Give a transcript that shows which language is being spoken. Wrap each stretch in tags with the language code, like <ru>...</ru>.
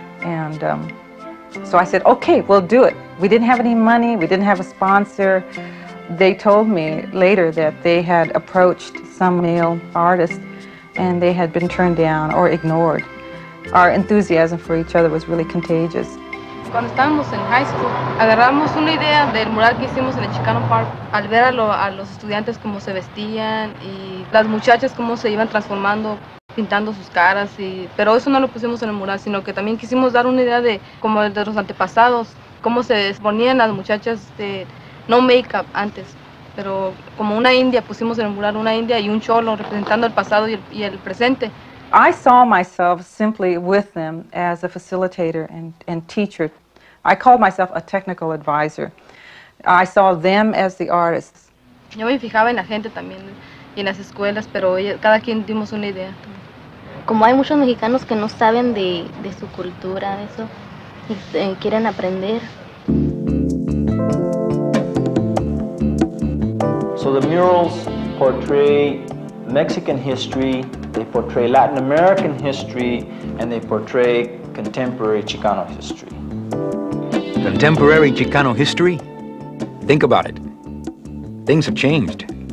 <en>And so I said, okay, we'll do it. We didn't have any money, we didn't have a sponsor. They told me later that they had approached some male artist and they had been turned down or ignored. Our enthusiasm for each other was really contagious.</en> <es>Cuando estábamos en high school, agarramos una idea del mural que hicimos en el Chicano Park. Al ver a los estudiantes cómo se vestían y las muchachas cómo se iban transformando, pintando sus caras, y pero eso no lo pusimos en el mural, sino que también quisimos dar una idea de como de los antepasados, cómo se ponían las muchachas de no makeup antes, pero como una india, pusimos en el mural una india y un cholo representando el pasado y el presente.</es> <en>I saw myself simply with them as a facilitator and teacher. I called myself a technical advisor. I saw them as the artists.</en> <es>Yo me fijaba en la gente también y en las escuelas, pero cada quien dimos una idea. Como hay muchos mexicanos que no saben de su cultura, eso, y quieren aprender.</es> <en>So the murals portray Mexican history, they portray Latin American history, and they portray contemporary Chicano history. Contemporary Chicano history? Think about it. Things have changed.</en>